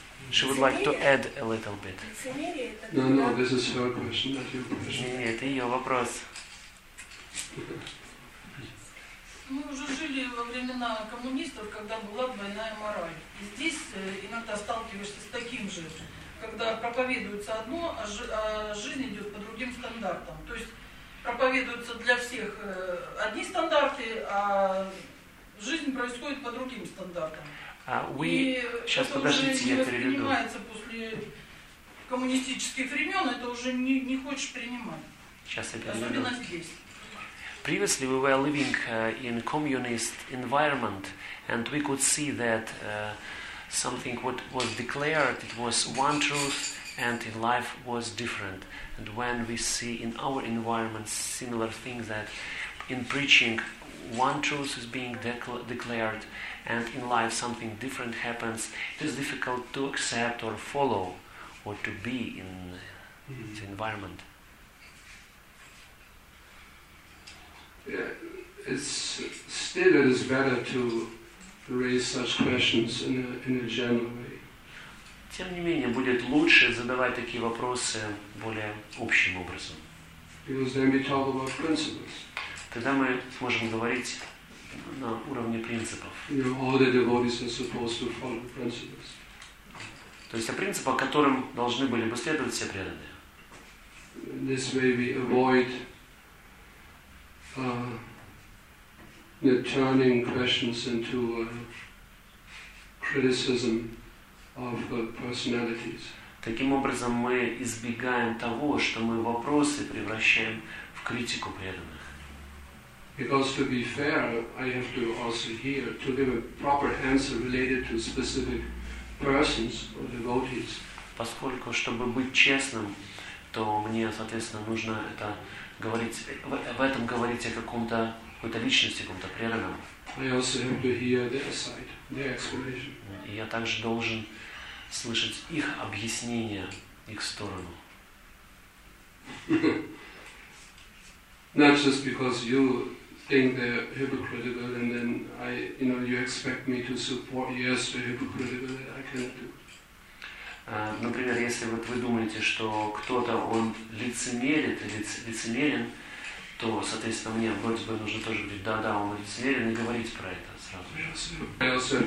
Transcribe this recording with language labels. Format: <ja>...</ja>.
<en>She would like to add a little bit. No, no, this is her question, not your question.</en> <ru>Нет, это ее вопрос. Мы уже жили во времена коммунистов, когда была двойная мораль. И здесь иногда сталкиваешься с таким же, когда проповедуется одно, а жизнь идет по другим стандартам. То есть проповедуются для всех одни стандарты, а жизнь происходит по другим стандартам. Сейчас подождите, я переведу. Это уже не воспринимается после коммунистических времен, это уже не хочешь принимать. Сейчас я переведу. Особенно здесь.</ru> <en>Previously we were living in communist environment, and we could see that something what was declared, it was one truth, and in life was different. And when we see in our environment similar things, that in preaching one truth is being declared, and in life something different happens, it is difficult to accept or follow or to be in the environment. It's still it is better to raise such questions in a general way.</en> <ru>Тем не менее, будет лучше задавать такие вопросы более общим образом.</ru> <en>Because then we talk about principles.</en> <ru>Тогда мы можем говорить на уровне принципов.</ru> <en>You know, all the devotees are supposed to follow principles.</en> <ru>То есть о принципах, которым должны были бы следовать все преданные.</ru> <en>This way we avoid turning questions into criticism of personalities.</en> <ru>Таким образом, мы избегаем того, что мы вопросы превращаем в критику преданных.</ru> <en>Because to be fair, I have to also here to give a proper answer related to specific persons or devotees.</en> <ru>Поскольку, чтобы быть честным, то мне, соответственно, нужно это говорить, в этом говорить о какой-то личности, каком-то преданном. И я также должен слышать их объяснение, их сторону.</ru> <en>Not just because you think they're hypocritical and then you expect me to support yes, they're hypocritical, I cannot do.</en> <ru>Например, если вот вы думаете, что кто-то он лицемерит или лицемерен, то, соответственно, мне вроде бы нужно тоже говорить, да, он лицемерен, и говорить про это сразу</ru>